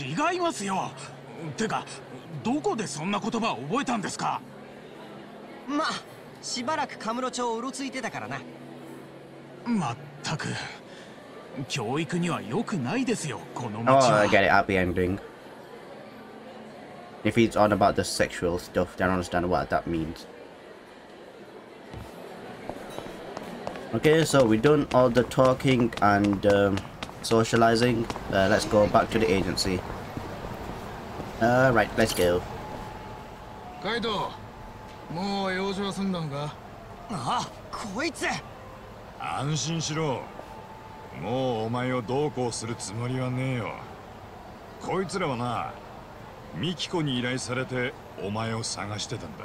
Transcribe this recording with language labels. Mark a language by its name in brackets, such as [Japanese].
[Japanese] 違いますよ。てか、どこでそんな言葉を覚えたんですか？まあ、しばらくカムロ町をうろついてたからな。まったく、教育には良くないですよ、この町は。 [English] Oh, I get it, happy ending. If he's on about the sexual stuff, then I understand what that means. Okay, so we've done all the talking and socializing. Let's go back to the agency. Right, let's go. [Japanese] カイト、もう用事は済んだのか。ああ、こいつ。安心しろ、もうお前をどうこうするつもりはねえよ。こいつらはな、ミキコに依頼されてお前を探してたんだ。